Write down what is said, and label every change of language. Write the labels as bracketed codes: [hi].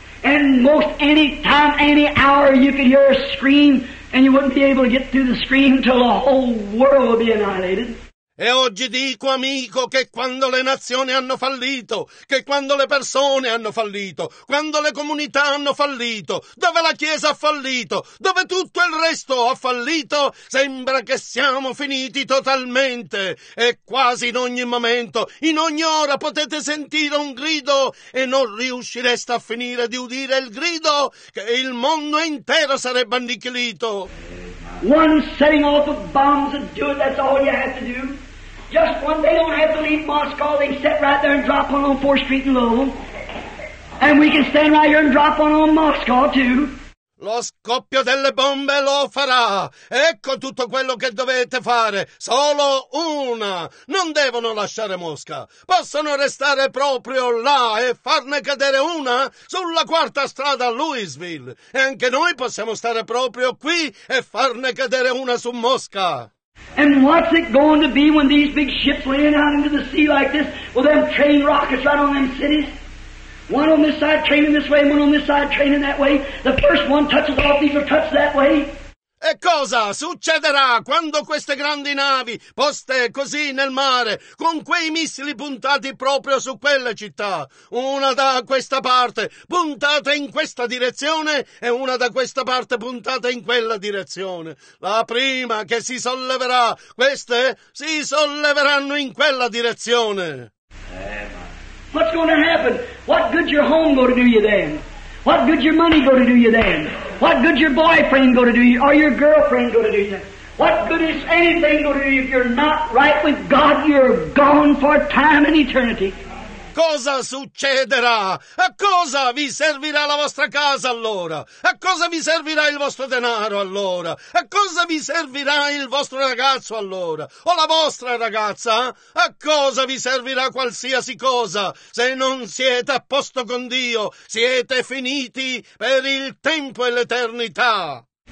[en] And most any time, any hour, you could hear a scream and you wouldn't be able to get through the scream until the whole world would be annihilated. [it] E oggi dico, amico, che quando le nazioni hanno fallito, che quando le persone hanno fallito, quando le comunità hanno fallito, dove la Chiesa ha fallito, dove tutto il resto ha fallito, sembra che siamo finiti totalmente. E quasi in ogni momento, in ogni ora, potete sentire un grido e non riuscireste a finire di udire il grido che il mondo intero sarebbe annichilito. [en] One setting off of bombs and do it, that's all you have to do. Just one, they don't have to leave Moscow, they sit right there and drop one on 4th Street in Lowell. And we can stand right here and drop one on Moscow too. [it] Lo scoppio delle bombe lo farà. Ecco tutto quello che dovete fare. Solo una. Non devono lasciare Mosca. Possono restare proprio là e farne cadere una sulla quarta strada a Louisville. E anche noi possiamo stare proprio qui e farne cadere una su Mosca. [en] And what's it going to be when these big ships land out into the sea like this with them train rockets right on them cities? One on this side training this way, one on this side training that way. The first one touches off, these are touched that way. [it] E cosa succederà quando queste grandi navi poste così nel mare, con quei missili puntati proprio su quelle città, una da questa parte puntata in questa direzione e una da questa parte puntata in quella direzione? La prima che si solleverà, queste si solleveranno in quella direzione. [en] What's going to happen? What good's your home going to do you then? What good's your money going to do you then? What good's your boyfriend going to do you, or your girlfriend going to do you then? What good is anything going to do you if you're not right with God? You're gone for time and eternity. [it] Cosa succederà? A cosa vi servirà la vostra casa allora? A cosa vi servirà il vostro denaro allora? A cosa vi servirà il vostro ragazzo allora? O la vostra ragazza? A cosa vi servirà qualsiasi cosa? Se non siete a posto con Dio, siete finiti per il tempo e l'eternità.